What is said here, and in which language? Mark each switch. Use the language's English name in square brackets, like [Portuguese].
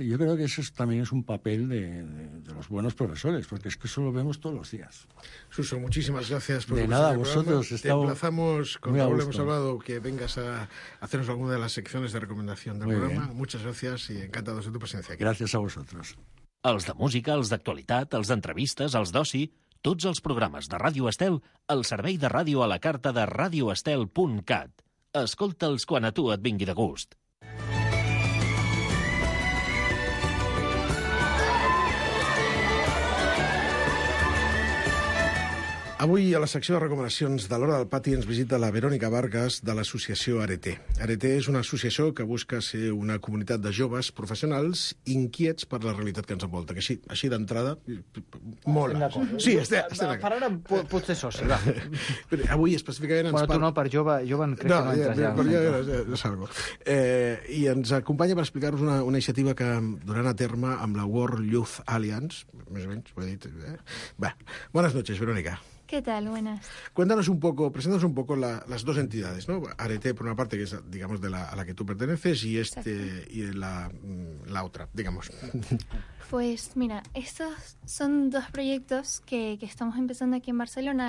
[Spanish] Y yo creo que eso también es un papel de los buenos profesores, porque es que eso lo vemos todos los días. Suso, muchísimas gracias por de nada, vosotros. Te emplazamos, cuando lo hemos hablado, que vengas a hacernos alguna de las secciones de recomendación del programa. Bien. Muchas gracias y encantados de tu presencia aquí. Gracias a vosotros. [Catalan] Els de música, els d'actualitat, els d'entrevistes, els d'oci, tots els programes de Ràdio Estel al servei de ràdio a la carta de radioestel.cat. Escolta'ls quan a tu et vingui de gust. Avui, a la secció de recomanacions de l'Hora del Pati, ens visita la Verònica Vargas, de l'associació Areté. Areté és una associació que busca ser una comunitat de joves professionals inquiets per la realitat que ens envolta. Que així d'entrada, mola. Sí, estem d'acord. Per ara, pots ser soci. Avui, específicament, ens parla... Bueno, tu no, per jove en crec que no entres ja. No, ja salgo. I ens acompanya per explicar-nos una iniciativa que duran a terme amb la World Youth Alliance, més o menys, ho he dit. [Spanish] Va, buenas noches, Verónica. ¿Qué tal? Buenas. Cuéntanos un poco, preséntanos un poco las dos entidades, ¿no? Areté, por una parte, que es, digamos, a la que tú perteneces, y este Exacto. y la otra, digamos. Pues, mira, estos son dos proyectos que estamos empezando aquí en Barcelona.